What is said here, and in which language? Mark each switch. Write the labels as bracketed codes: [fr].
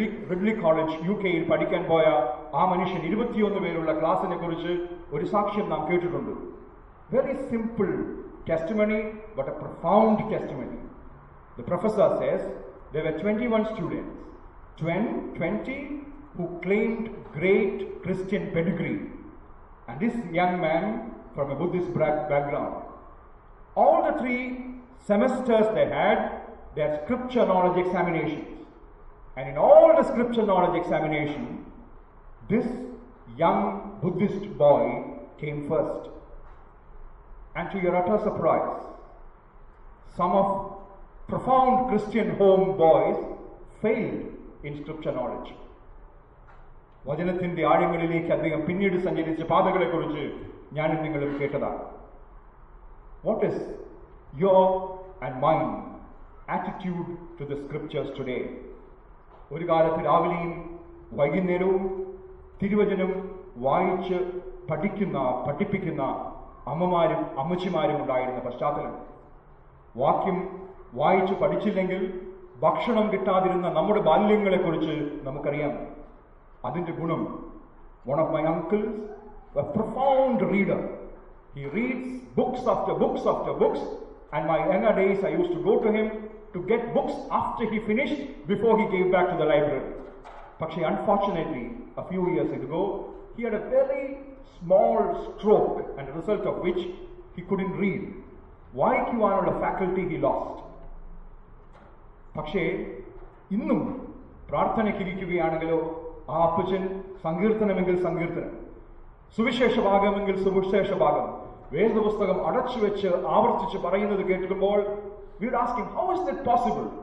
[ml] Ridley college UK-ൽ പഠിക്കാൻ പോയ ആ മനുഷ്യൻ 21 പേരുള്ള ക്ലാസിനെ കുറിച്ച് ഒരു സാക്ഷ്യം നാം കേട്ടിട്ടുണ്ട്. [en] Very simple testimony, but a profound testimony. The professor says there were 21 students who claimed great Christian pedigree. And this young man from a Buddhist background. All the 3 semesters they had their scripture knowledge examination. And in all the scripture knowledge examination, this young Buddhist boy came first. And to your utter surprise, some of profound Christian home boys failed in scripture knowledge. [ml] വചനത്തിന്റെ ആഴങ്ങളിലേക്ക് അദ്ദേഹം പിന്നീട് സഞ്ചരിച്ച പാതകളെ കുറിച്ച് ഞാൻ നിങ്ങളും കേട്ടതാണ്. [en] What is your and my attitude to the scriptures today? [ml] ഒരു കാലത്ത് രാവിലെയും വൈകുന്നേരവും തിരുവചനം വായിച്ച് പഠിപ്പിക്കുന്ന അമ്മമാരും അമ്മച്ചിമാരും ഉണ്ടായിരുന്ന പശ്ചാത്തലം. വാക്യം വായിച്ച് പഠിച്ചില്ലെങ്കിൽ ഭക്ഷണം കിട്ടാതിരുന്ന നമ്മുടെ ബാല്യങ്ങളെക്കുറിച്ച് നമുക്കറിയാം. അതിന്റെ ഗുണം, [en] One of my uncles a profound reader, he reads books after books after books. And my younger days I use to go to him to get books after he finished, before he came back to the library. But unfortunately, a few years ago, he had a very small stroke, and a result of which he couldn't read. [ml] വായിക്കുവാനുള്ള faculty [en] He lost. [ml] പക്ഷേ ഇന്നും പ്രാർത്ഥനയ്ക്കിരിക്കുകയാണെങ്കിലോ ആ അപ്പച്ചൻ സങ്കീർത്തനമെങ്കിൽ സങ്കീർത്തനം, സുവിശേഷ ഭാഗമെങ്കിൽ സുവിശേഷ ഭാഗം, വേദപുസ്തകം അടച്ചു വെച്ച് ആവർത്തിച്ച് പറയുന്നത് കേട്ടിരുമ്പോൾ [en] We are asking how is that possible?